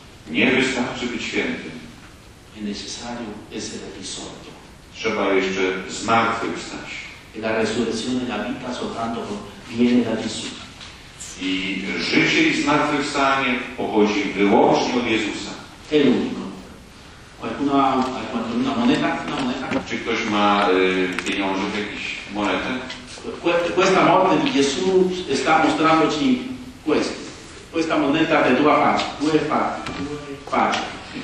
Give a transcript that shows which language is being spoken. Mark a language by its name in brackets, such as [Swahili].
[Polish] Nie wystarczy być świętym. [Italian] È necessario essere risorto. [Polish] Trzeba jeszcze zmartwychwstać. [Italian] E la resurrezione della vita soltanto viene da Gesù. [Polish] I życie i zmartwychwstanie pochodzi wyłącznie od Jezusa. [Italian] È l'unico. Qualcuno ha una moneta? Una moneta? [Polish] Czy ktoś ma pieniądze, jakieś monetę? [Italian] Questa morte di Gesù sta mostrando ci questo. Questa moneta te due facce, due facce.